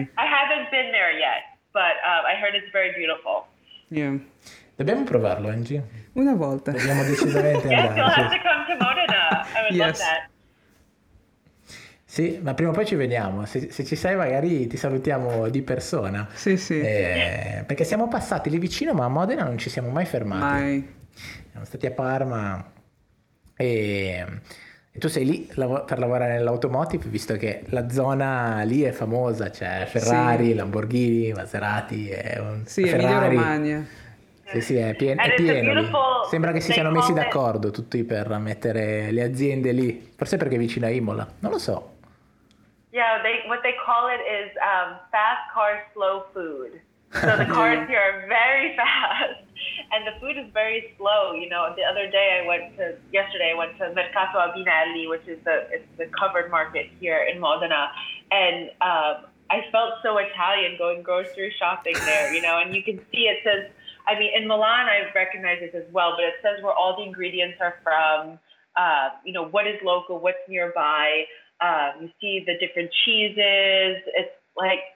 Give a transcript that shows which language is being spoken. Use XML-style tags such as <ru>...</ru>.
<en>Yes, I haven't been there yet, but I heard it's very beautiful. Yeah.</en> <it>Dobbiamo provarlo, Angie. Una volta. Dobbiamo decisamente andare.</it> <en>Yes, you'll have to come to Modena. I would yes. love that.</en> <it>Sì, ma prima o poi ci veniamo. Se ci sei, magari ti salutiamo di persona. Sì, sì. Perché siamo passati lì vicino, ma a Modena non ci siamo mai fermati. Mai. Siamo stati a Parma e tu sei lì per lavorare nell'automotive, visto che la zona lì è famosa, c'è cioè Ferrari, sì. Lamborghini, Maserati, Emilia Romagna. Sì, sì, è pieno lì. Sembra che si siano messi d'accordo tutti per mettere le aziende lì, forse perché è vicino a Imola, non lo so.</it> <en>Yeah, what they call it is fast car, slow food. So the cars here are very fast, and the food is very slow. You know, the other day yesterday I went to Mercato Abinelli, which is the covered market here in Modena, and I felt so Italian going grocery shopping there, you know, and you can see it says, I mean, in Milan I recognize this as well, but it says where all the ingredients are from, you know, what is local, what's nearby, you see the different cheeses, it's like...</en>